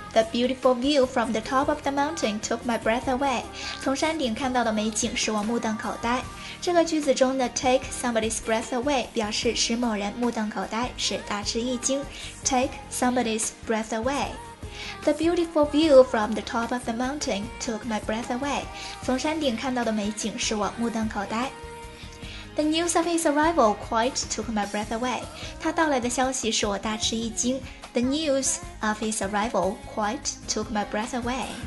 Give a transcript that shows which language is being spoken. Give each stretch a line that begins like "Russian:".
English: The beautiful view from the top of the mountain took my breath away.
Chinese: 从山顶看到的美景使我目瞪口呆。这个句子中的
English: take somebody's breath away
Chinese: 表示使某人目瞪口呆，使大吃一惊。
English: Take somebody's breath away. The beautiful view from the top of the mountain took my breath away.
Chinese: 从山顶看到的美景使我目瞪口呆。
English: The news of his arrival quite took my breath away.
Chinese: 他到来的消息使我大吃一惊。
English: The news of his arrival quite took my breath away.